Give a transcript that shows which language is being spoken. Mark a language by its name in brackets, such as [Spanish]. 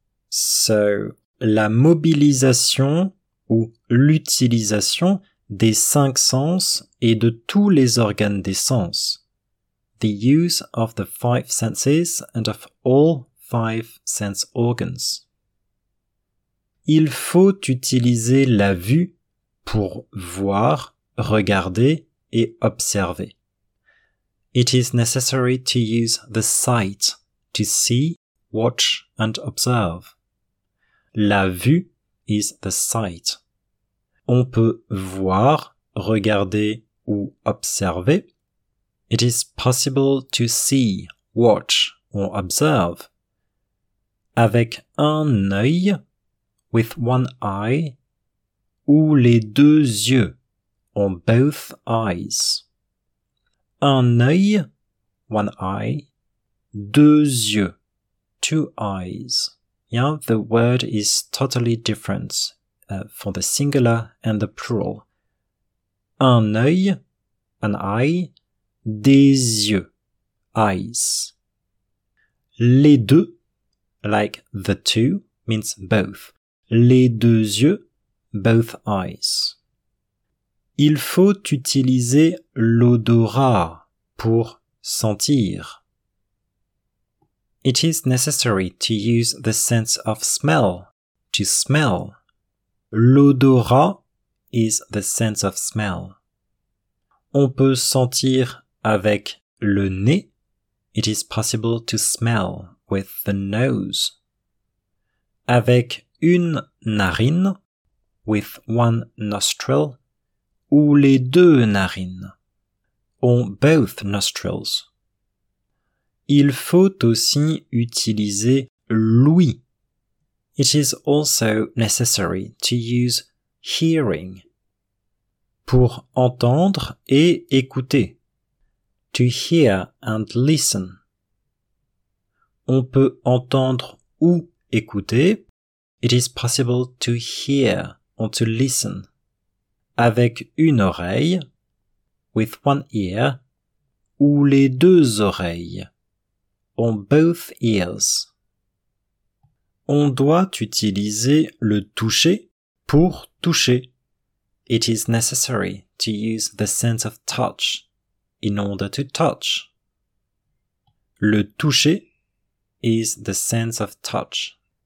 [French] So, la mobilisation ou l'utilisation des cinq sens et de tous les organes des sens. [English] The use of the five senses and of all five sense organs. [French] Il faut utiliser la vue pour voir, regarder et observer. [English] It is necessary to use the sight to see, watch and observe. La vue is the sight. [French] On peut voir, regarder ou observer. [English] It is possible to see, watch or observe. [French] Avec un œil, [English] with one eye, [French] ou les deux yeux, [English] on both eyes. [French] Un œil, [English] one eye, [French] deux yeux, [English] two eyes. Yeah, the word is totally different for the singular and the plural. [French] Un œil, [English] an eye, [French] des yeux, eyes. [English] Les deux, like the two, means both. [French] Les deux yeux, [English] both eyes. [French] Il faut utiliser l'odorat pour sentir. [English] It is necessary to use the sense of smell, to smell. L'odorat is the sense of smell. [French] On peut sentir avec le nez. [English] It is possible to smell with the nose. [French] Avec une narine, [English] with one nostril, [French] ou les deux narines, [English] on both nostrils. [French] Il faut aussi utiliser l'ouïe. [English] It is also necessary to use hearing. [French] Pour entendre et écouter. [English] To hear and listen. [French] On peut entendre ou écouter. [English] It is possible to hear or to listen. [French] Avec une oreille. [English] With one ear. [French] Ou les deux oreilles. [English] On both ears. [French] On doit utiliser le toucher pour toucher. [English] It is necessary to use the sense of touch in order to touch. Le toucher is the sense of touch.